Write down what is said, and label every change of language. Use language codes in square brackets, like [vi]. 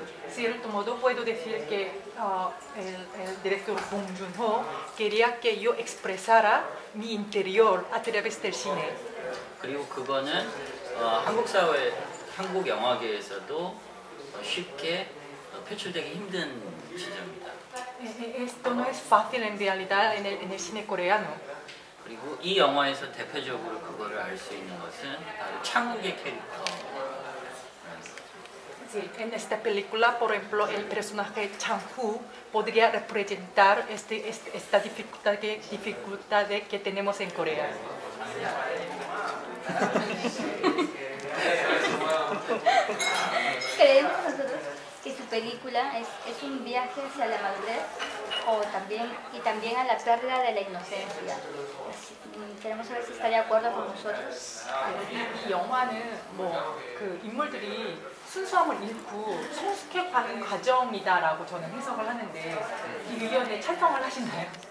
[es] Cierto modo puedo decir que el director Bong Joon-ho quería que yo expresara mi interior a través del cine. [ko] 그리고 그거는 한국 사회, 한국 영화계에서도 쉽게 표출되기 힘든 지점이다. [es] Esto no es fácil en realidad en el cine coreano. [ko] 그리고 이 영화에서 대표적으로 그거를 알 수 있는 것은 바로 창욱의 캐릭터. [es] Sí, en esta película, por ejemplo, el personaje Chang-hu podría representar esta dificultad que tenemos en Corea. ¿Creemos nosotros que su película es un viaje hacia la madurez y también a la pérdida de la inocencia? Queremos saber si está de acuerdo con nosotros. Sí. [ko] 순수함을 잃고 성숙해가는 과정이다라고 저는 해석을 하는데 이 의견에 찬성을 하신다요?